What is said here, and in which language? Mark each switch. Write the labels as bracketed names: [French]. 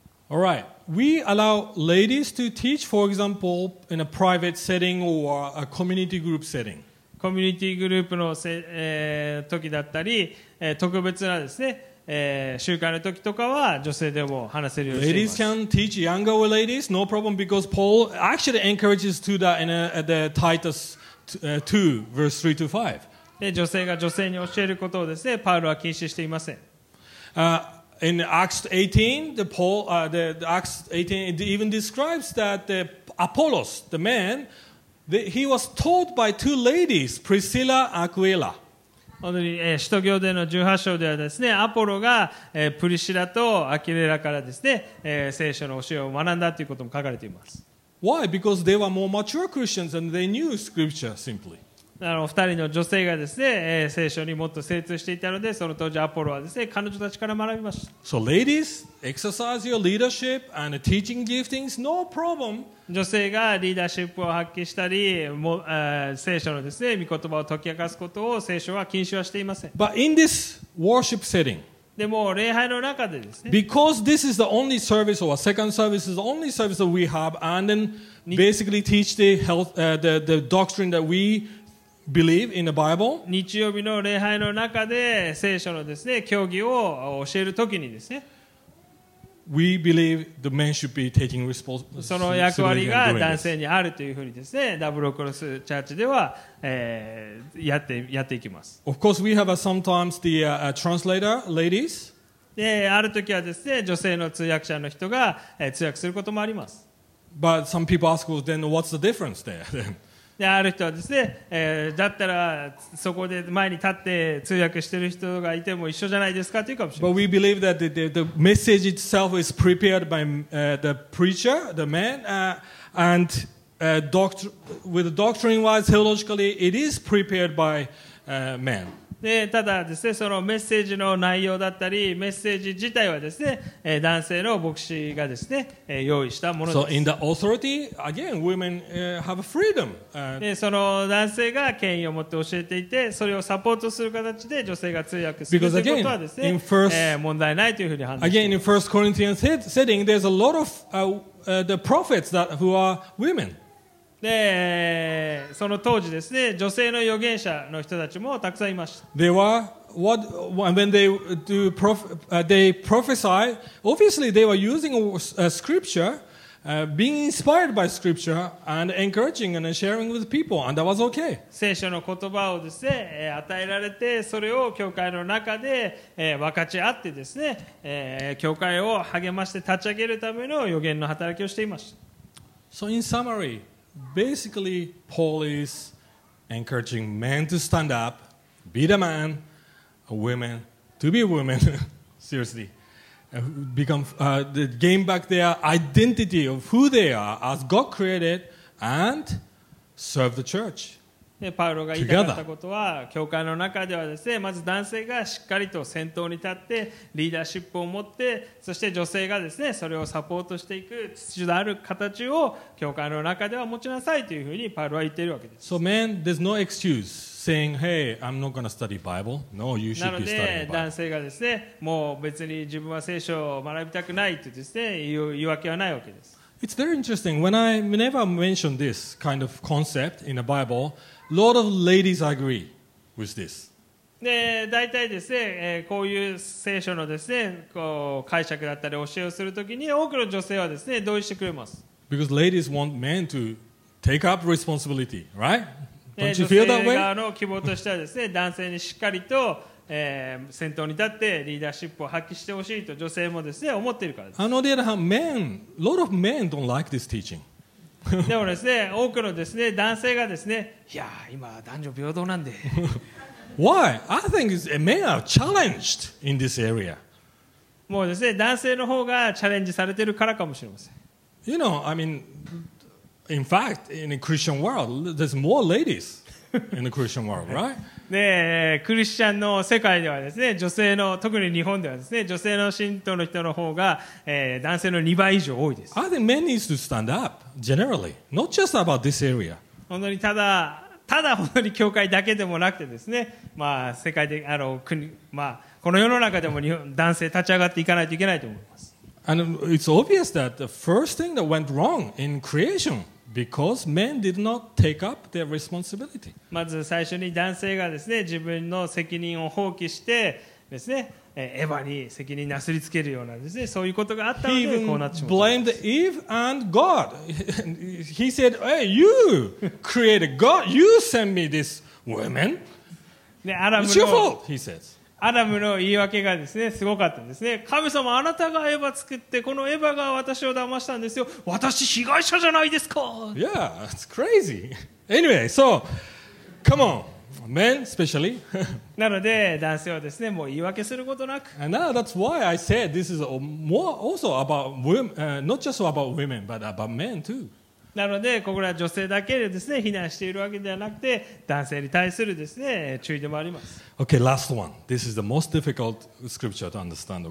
[English] All right. We allow ladies to teach, for example, in a private setting or a community group setting. [Japanese] コミュニティグループの時だったり、特別なですね。集会の時とかは女性でも話せるようにしています。 [English] Ladies can teach younger ladies, no problem, because Paul actually encourages to that in the Titus 2, verse 3 to 5. [Japanese] 女性が女性に教えることをですね、パウロは禁止していません。 [English] In Acts 18, Acts 18 even describes that the Apollos, the man, he was taught by two ladies, Priscilla and Aquila. [Japanese] 本当に使徒行伝の18章ではですね、アポロがプリシラとアキレラからですね、聖書の教えを学んだということも書かれています。 [English] Why? Because they were more mature Christians and they knew scripture simply. [Japanese] 二人の女性がですね、聖書にもっと精通していたので、その当時アポロはですね、彼女たちから学びました。 [English] So ladies, exercise your leadership and teaching giftings, no problem. [Japanese] 女性がリーダーシップを発揮したり、聖書のですね、御言葉を解き明かすことを聖書は禁止はしていません。 [English] But in this worship setting, [Japanese] でも礼拝の中でですね、 [English] because this is the only service or second service is the only service that we have, and then basically teach the health, the doctrine that we believe in the Bible. [Japanese] 日曜日の礼拝の中で聖書のですね、教義を教えるときにですね。 [English] We believe the men should be taking responsibility. [Japanese] その役割が男性にあるというふうにですね、ダブルクロスチャーチでは、やっていきます。 [English] Of course, we have sometimes the translator ladies. [Japanese] で、ある時はですね、女性の通訳者の人が、通訳することもあります。 [English] But some people ask, well, then what's the difference there? [Japanese] で、ある人はですね、だったらそこで前に立って通訳してる人がいても一緒じゃないですかというかもしれません。 [English] But we believe that the message itself is prepared by the preacher, the man, and with doctrine wise, theologically, it is prepared by man. [Japanese] でただですね、そのメッセージの内容だったり、メッセージ自体はですね、男性の牧師がですね、用意したものです。 [English] So in the authority, again, women have freedom. [Japanese] でその男性が権威を持って教えていて、それをサポートする形で女性が通訳するということはですね、問題ないというふうに判断しています。 [English] Again, in First Corinthians setting, there's a lot of the prophets that who are women. [Japanese] でその当時ですね、女性の預言者の人たちもたくさんいました。 [English] They were, what, when they do prophesy, obviously they were using scripture, being inspired by scripture and encouraging and sharing with people, and that was okay. [Japanese] 聖書の言葉をですね、与えられて、それを教会の中で、分かち合ってですね、教会を励まして立ち上げるための預言の働きをしていました。 [English] So in summary, basically Paul is encouraging men to stand up, be the man, women to be women, seriously. Gain back their identity of who they are as God created and serve the church together. [Japanese] パウロが言いたかったことは、教会の中ではですね、まず男性がしっかりと先頭に立って、リーダーシップを持って、そして女性がですね、それをサポートしていく、秩序ある形を教会の中では持ちなさいというふうにパウロは言っているわけです。 [English] So men, there's no excuse. Saying, "Hey, I'm not going to study Bible." No, you should be studying Bible. [Japanese] 男性がですね、もう別に自分は聖書を学びたくないとですね、言い訳はないわけです。 [English] It's very interesting. Whenever I mention this kind of concept in the Bible, a lot of ladies agree with this. [Japanese] で、大体ですね、こういう聖書のですね、こう解釈だったり教えをするときに、多くの女性はですね、同意してくれます。 [English] Because ladies want men to take up responsibility, right? Don't you feel that way? [Japanese] 女性側の希望としてはですね、男性にしっかりと、先頭に立ってリーダーシップを発揮してほしいと女性もですね思っているからです。 [English] On the other hand, men, a lot of men don't like this teaching. [Japanese] でもですね、多くのですね男性がですね、いやー今男女平等なんで。 [English] Why? I think men are challenged in this area. [Japanese] もうですね、男性の方がチャレンジされているからかもしれません。 [English] You know, I mean. In fact, in the Christian world, there's more ladies in the Christian world, right? [Japanese] ねえ、クリスチャンの世界ではですね、女性の、特に日本ではですね、女性の信徒の人の方が、男性の2倍以上多いです。 [English] I think men need to stand up, generally, not just about this area. [Japanese] 本当にただ本当に教会だけでもなくてですね、まあ世界で、国、まあこの世の中でも日本、男性立ち上がっていかないといけないと思います。 [English] And it's obvious that the first thing that went wrong in creation because men did not take up their responsibility. [Japanese] まず最初に男性がですね、自分の責任を放棄してですね、エヴァに責任なすりつけるようなですね、そういうことがあったので、こうなってしまった。 [English] He blamed Eve and God. He said, "Hey, you created God. You sent me this woman." It's your fault, he says. [Japanese] アダムの言い訳がですね、すごかったんですね。神様、あなたがエヴァ作って、このエヴァが私を騙したんですよ。私、被害者じゃないですか。 [English] Yeah, it's crazy. Anyway, so, come on, men, especially. [Japanese] なので、男性はですね、もう言い訳することなく。 [English] And now that's why I said this is more also about women, not just about women, but about men too. [Japanese] なのでここら女性だけでですね非難しているわけではなくて男性に対するですね注意でもあります。 [English] Okay, last one. This is the most difficult scripture to understand.